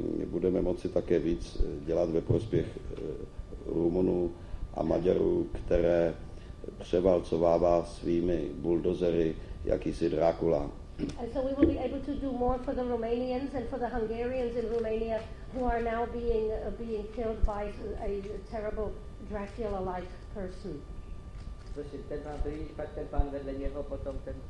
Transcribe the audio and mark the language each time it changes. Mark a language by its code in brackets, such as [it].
[cs] Budeme moci také víc dělat ve prospěch Rumunů a Maďarů, které převalcovává svými buldozery jakýsi Drákula. [en] And so we will be able to do more for the Romanians and for the Hungarians in Romania who are now being killed by a terrible Dracula-like person. [cs] Prosím, ten pán prý, pak ten pán vedle něho, potom ten...